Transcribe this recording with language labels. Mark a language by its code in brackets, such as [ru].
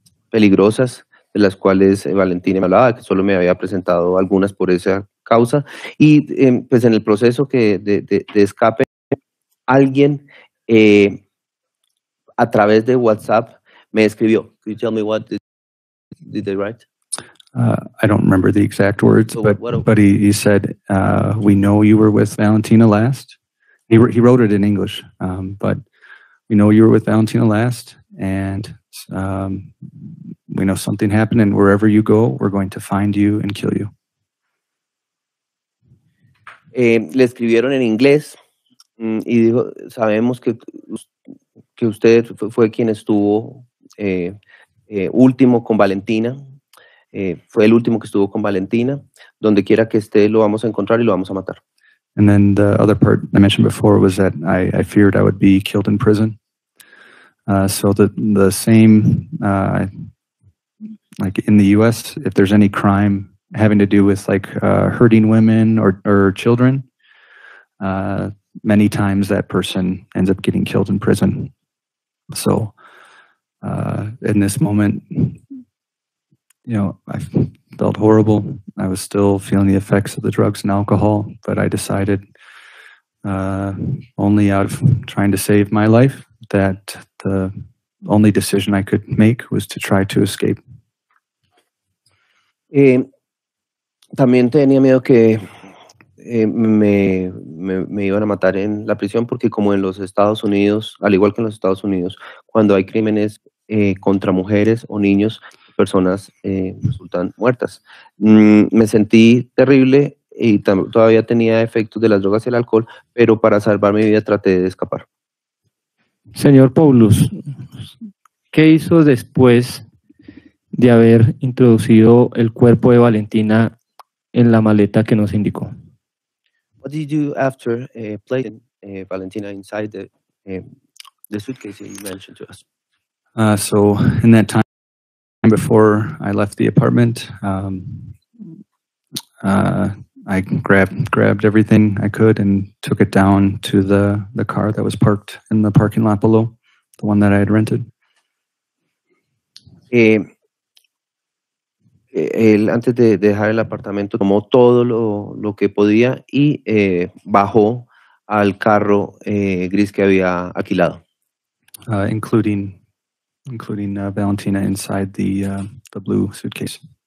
[es] peligrosas, de las cuales Valentina me hablaba, que solo me había presentado algunas por esa causa. Y pues en el proceso que de escape, alguien a través de WhatsApp me escribió. [en] Could you tell me what did they write? I don't remember the exact words, but he said, we know you were with Valentina last. He wrote it in English, but we know you were with Valentina last, and we know something happened, and wherever you go, we're going to find you and kill you. [es] Le escribieron en inglés, y dijo, sabemos que usted fue quien estuvo último con Valentina. Fue el último que estuvo con Valentina. Donde quiera que esté, lo vamos a encontrar y lo vamos a matar. [en] And then the other part I mentioned before was that I feared I would be killed in prison. So the same, like in the U.S., if there's any crime having to do with like hurting women or children, many times that person ends up getting killed in prison. So in this moment, you know, I felt horrible. I was still feeling the effects of the drugs and alcohol, but I decided only out of trying to save my life that the only decision I could make was to try to escape. [es] También tenía miedo que me iban a matar en la prisión, porque como en los Estados Unidos, al igual que en los Estados Unidos, cuando hay crímenes contra mujeres o niños, personas resultan muertas. Me sentí terrible y todavía tenía efectos de las drogas y el alcohol, pero para salvar mi vida traté de escapar. Señor Poulos, ¿qué hizo después de haber introducido el cuerpo de Valentina en la maleta que nos indicó? [en] What did you do after placing Valentina inside the suitcase you mentioned to us? So in that time, before I left the apartment, I grabbed everything I could and took it down to the car that was parked in the parking lot below, the one that I had rented. [es] Él antes de dejar el apartamento tomó todo lo que podía y bajó al carro gris que había alquilado. [en] Including Valentina inside the blue suitcase.